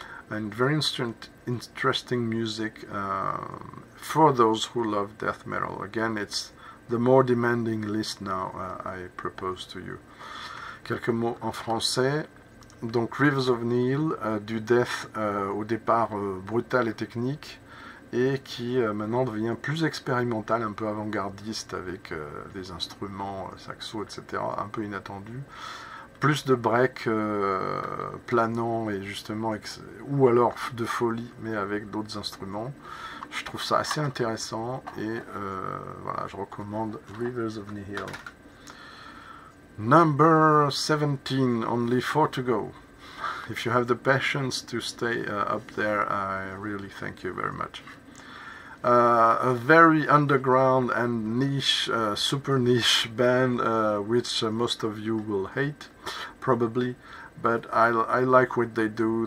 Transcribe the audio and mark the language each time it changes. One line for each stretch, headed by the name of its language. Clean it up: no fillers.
English: And very interesting music for those who love death metal. Again, it's the more demanding list now I propose to you.
French: Quelques mots en français. Donc, Rivers of Nihil, du death au départ brutal et technique, et qui maintenant devient plus expérimental, un peu avant-gardiste avec des instruments, saxo, etc., un peu inattendu. Plus de break planant et justement ou alors de folie mais avec d'autres instruments. Je trouve ça assez intéressant et voilà, je recommande Rivers of Nihil.
English: Number 17, only 4 to go. If you have the patience to stay up there, I really thank you very much. A very underground and niche, super niche band, which most of you will hate, probably, but I like what they do.